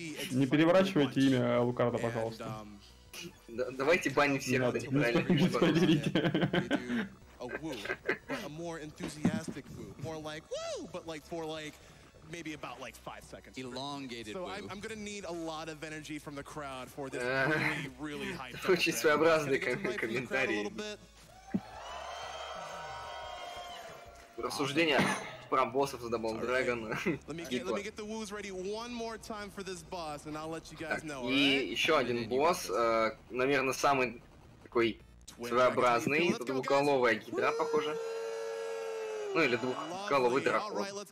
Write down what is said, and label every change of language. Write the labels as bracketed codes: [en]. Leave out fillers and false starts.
[ru] Не переворачивайте имя Алукарда, пожалуйста. Давайте баним всех, когда неправильно. Не спойлерите. [en] A more enthusiastic woo, more like woo, but like for like maybe about like 5 seconds. Elongated woo. So I'm gonna need a lot of energy from the crowd for this really hyped. [ru] Очень своеобразный комментарий. Рассуждение про боссов с Double Dragon. [en] Let me get the woos ready one more time for this boss, and I'll let you guys know. [ru] И еще один босс, наверное, самый такой своеобразный двухголовый гидра, похоже. Ну или двухголовый дракон.